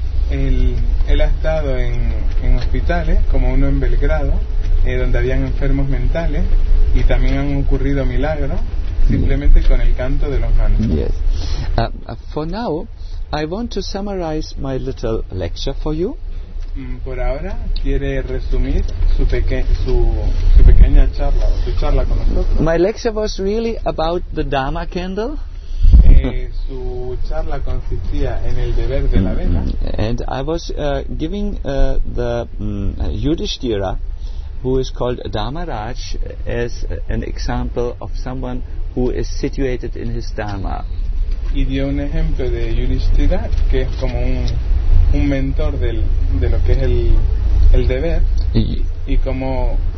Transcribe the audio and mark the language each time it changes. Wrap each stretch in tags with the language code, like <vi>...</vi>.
<es>Él ha estado en hospitales, como uno en Belgrado, donde habían enfermos mentales, y también han ocurrido milagros, simplemente con el canto de los mantras.</es> <en>Yes. For now, I want to summarize my little lecture for you.</en> <es>Por ahora, quiere resumir su pequeña charla, su charla con nosotros.</es> <en>My lecture was really about the Dharma candle.</en> <es>Su charla consistía en el deber de la vela.</es> <en>And I was giving the Yudhishthira, who is called Dharmaraj, as an example of someone who is situated in his dharma.</en> <es>Y dio un ejemplo de Yudhishthira, que es como un mentor de lo que es el deber, y como</es>